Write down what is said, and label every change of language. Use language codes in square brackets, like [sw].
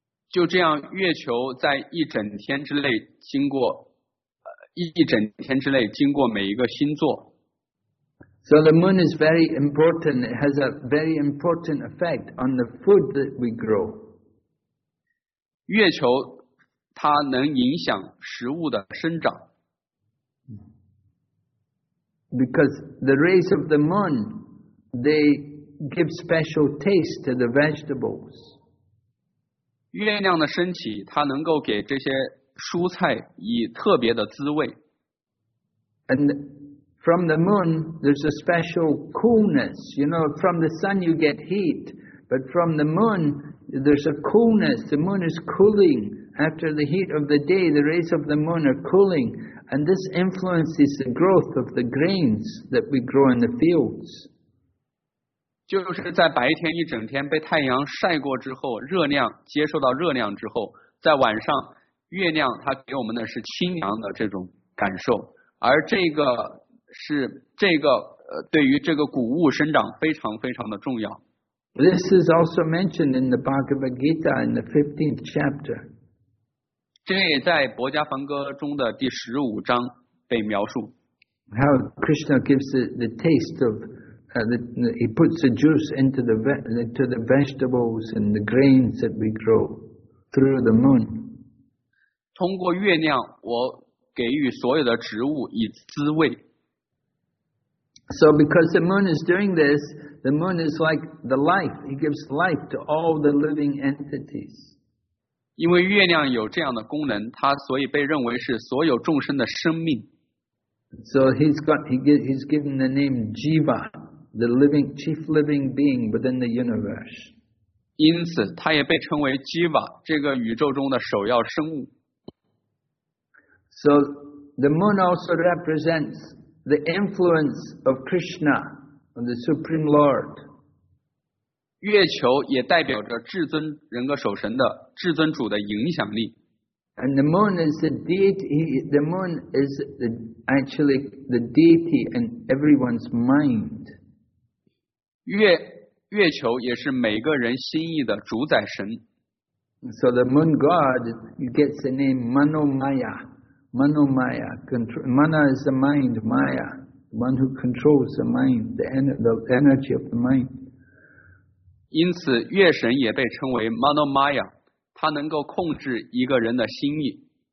[zh] 就这样，月球在一整天之内经过。一整天之内经过每一个星座。 [en] So the moon is very important. It has a very important effect on the food that we grow. [zh] 月球它能影响食物的生长。 [en] Because the rays of the moon, they give special taste to the vegetables. [zh] 月亮的升起，它能够给这些蔬菜以特别的滋味。 [en] And from the moon, there's a special coolness. You know, from the sun you get heat, but from the moon, there's a coolness. The moon is cooling. After the heat of the day, the rays of the moon are cooling. And this influences the growth of the grains that we grow in the fields. [zh] 就是在白天一整天被太阳晒过之后，热量接受到热量之后，在晚上，月亮它给我们的是清凉的这种感受。而这个是这个对于这个谷物生长非常非常的重要。 [en] This is also mentioned in the Bhagavad Gita in the 15th chapter. [zh] 这也在《薄伽梵歌》中的第十五章被描述。 [en] How Krishna gives the taste of he puts the juice into the vegetables and the grains that we grow through the moon. [zh] 通过月亮，我。给予所有的植物以滋味。 [en] So because the moon is doing this, the moon is like the life. It gives life to all the living entities. [zh] 因为月亮有这样的功能，它所以被认为是所有众生的生命。 [en] So he's given the name Jiva, the living chief living being within the universe. [zh] 因此，它也被称为 Jiva, 这个宇宙中的首要生物。 [en] So the moon also represents the influence of Krishna, of the Supreme Lord. [zh] 月球也代表着至尊人格守神的至尊主的影响力。 [en] And the moon is the deity. The moon is actually the deity in everyone's mind. [zh] 月球也是每个人心意的主宰神。 [en] So the moon god gets the name Manomaya. Manomaya, mana is the mind, Maya, the one who controls the mind, the energy of the mind. [zh] 因此，月神也被称为 Manomaya, 它能够控制一个人的心意。